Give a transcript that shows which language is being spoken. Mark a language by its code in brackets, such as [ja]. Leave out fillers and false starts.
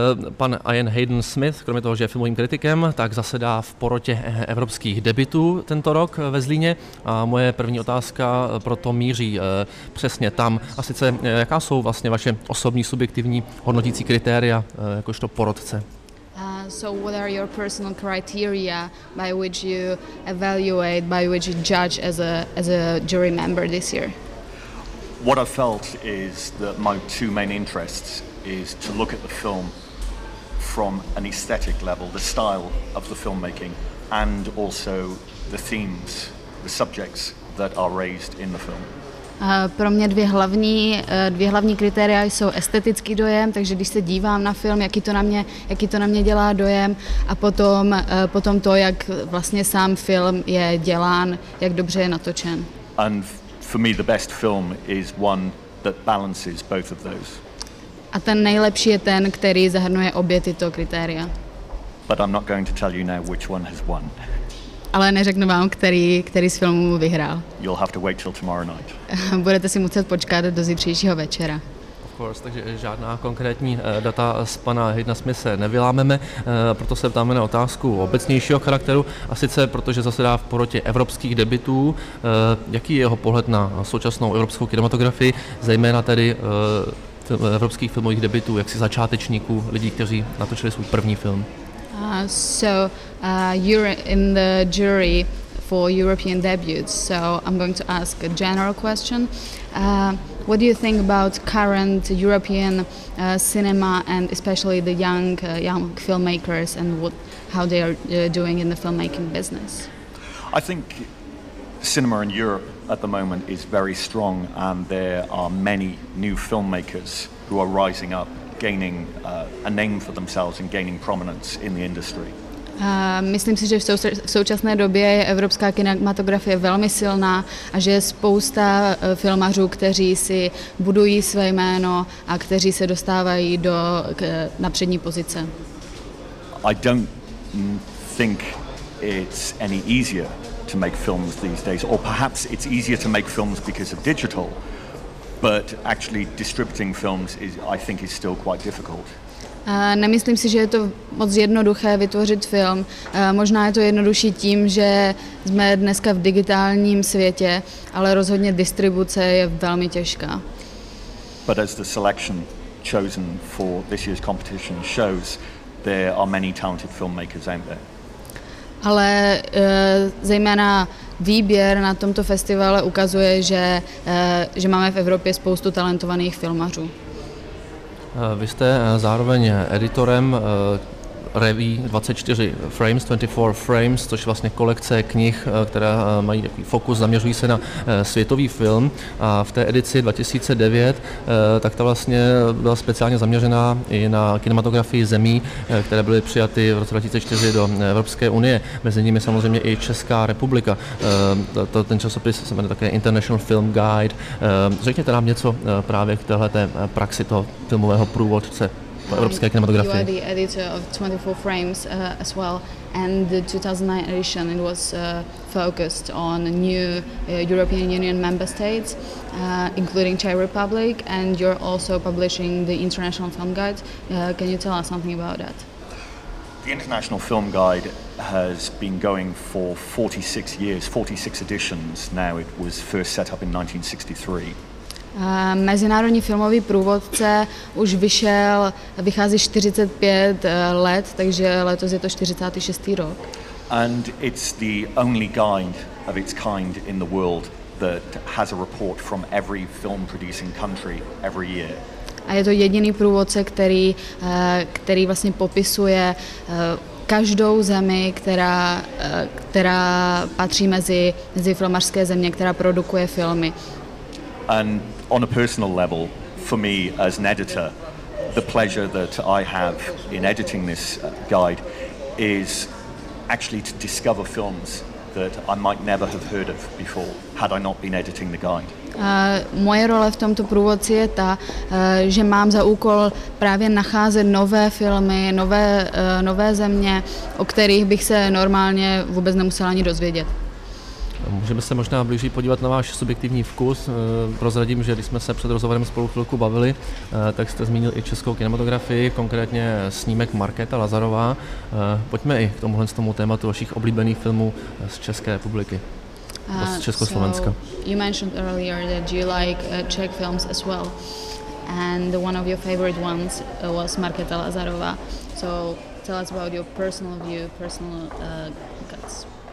[cs] Pan Ian Haydn-Smith, kromě toho, že je filmovým kritikem, tak zasedá v porotě evropských debutů tento rok ve Zlíně. A moje první otázka proto míří přesně tam. A sice, jaká jsou vlastně vaše osobní subjektivní hodnotící kritéria jakožto porotce? [en] So what are your personal criteria by which you evaluate, by which you judge as a jury member this year? What I felt is that my two main interests is to look at the film from an aesthetic level, the style of the filmmaking, and also the themes, the subjects that are raised in the film. [cs] Pro mě dvě hlavní kritéria jsou estetický dojem, takže když se dívám na film, jaký to na mě dělá dojem, a potom to, jak vlastně sám film je dělán, jak dobře je natočen. [en] And for me, the best film is one that balances both of those. [cs] A ten nejlepší je ten, který zahrnuje obě tyto kritéria. [en] But I'm not going to tell you now which one has won. [cs] Ale neřeknu vám, který z filmů vyhrál. [en] You'll have to wait till tomorrow night. [cs] Budete si muset počkat do zítřejšího večera. Takže žádná konkrétní data z pana Haydn-Smitha nevylámeme, proto se ptáme na otázku obecnějšího charakteru, a sice protože zasedá v porotě evropských debutů, jaký je jeho pohled na současnou evropskou kinematografii, zejména tedy evropských filmových debutů, jaksi začátečníků, lidí, kteří natočili svůj první film. [en] You're in the jury for European debuts, so I'm going to ask a general question. What do you think about current European cinema and especially the young filmmakers and how they are doing in the filmmaking business? I think cinema in Europe at the moment is very strong, and there are many new filmmakers who are rising up, gaining a name for themselves and gaining prominence in the industry. [cs] Myslím si, že v současné době je evropská kinematografie velmi silná a že je spousta filmařů, kteří si budují své jméno a kteří se dostávají na přední pozice. [en] I don't think it's any easier to make films these days, or perhaps it's easier to make films because of digital, but actually distributing films is still quite difficult. [cs] Nemyslím si, že je to moc jednoduché vytvořit film. Možná je to jednodušší tím, že jsme dneska v digitálním světě, ale rozhodně distribuce je velmi těžká. [en] But as the selection chosen for this year's competition shows, there are many talented filmmakers, aren't there? [cs] Ale zejména výběr na tomto festivale ukazuje, že máme v Evropě spoustu talentovaných filmařů. Vy jste zároveň editorem Revue 24 Frames, 24 Frames, což je vlastně kolekce knih, která mají takový fokus, zaměřují se na světový film. A v té edici 2009, tak ta vlastně byla speciálně zaměřená i na kinematografii zemí, které byly přijaty v roce 2004 do Evropské unie. Mezi nimi samozřejmě i Česká republika. Ten časopis se jmenuje také International Film Guide. Řekněte nám něco právě k téhleté praxi toho filmového průvodce. [en] You are the editor of 24 Frames as well, and the 2009 edition, it was focused on new European Union member states, including Czech Republic, and you're also publishing the International Film Guide. Can you tell us something about that? The International Film Guide has been going for 46 years, 46 editions now. It was first set up in 1963. [cs] Mezinárodní filmový průvodce už vychází 45 let, takže letos je to 46. rok. [en] And it's the only guide of its kind in the world that has a report from every film producing country every year. [cs] A je to jediný průvodce, který vlastně popisuje každou zemi, která patří mezi filmařské země, která produkuje filmy. [en] And on a personal level, for me as an editor, the pleasure that I have in editing this guide is actually to discover films that I might never have heard of before had I not been editing the guide. [cs] Moje role v tomto průvodci je ta, že mám za úkol právě nacházet nové filmy, nové země, o kterých bych se normálně vůbec nemusela ani dozvědět. Můžeme se možná blíže podívat na váš subjektivní vkus. Prozradím, že když jsme se před rozhovorem spolu chvilku bavili, tak jste zmínil i českou kinematografii, konkrétně snímek Markéta Lazarová. Pojďme i k tomuhle tomu tématu vašich oblíbených filmů z České republiky. Československa. [en] So you mentioned earlier that you like Czech films as well, and one of your favorite ones was Markéta Lazarová. So tell us about your personal view, personal guts.